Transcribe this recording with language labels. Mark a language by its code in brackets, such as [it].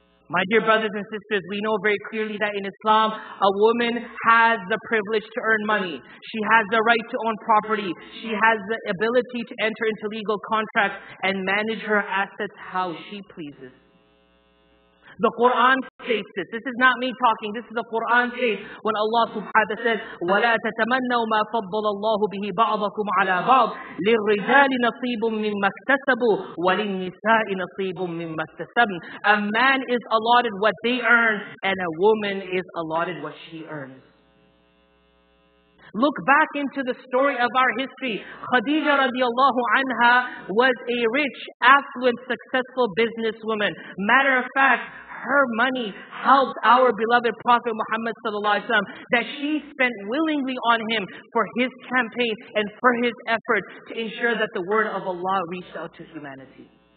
[en] My dear brothers and sisters, we know very clearly that in Islam, a woman has the privilege to earn money. She has the right to own property. She has the ability to enter into legal contracts and manage her assets how she pleases. The Quran states this. This is not me talking. This is the Quran states when Allah subhanahu wa ta'ala says, [ar] وَلَا تَتَمَنَّوا مَا فَضَّلَ اللَّهُ بِهِ بَعْضَكُمْ عَلَىٰ بَعْضٍ لِلرِّجَالِ نَصِيبٌ مِّمَّا اكْتَسَبُوا وَلِلنِّسَاءِ نَصِيبٌ مِّمَّا اكْتَسَبْنَ. [en] A man is allotted what they earn, and a woman is allotted what she earns. Look back into the story of our history. Khadija radiallahu anha was a rich, affluent, successful businesswoman. Matter of fact, her money helped our beloved Prophet Muhammad sallallahu alaihi wasallam, that she spent willingly on him for his campaign and for his effort to ensure that the word of Allah reached out to humanity.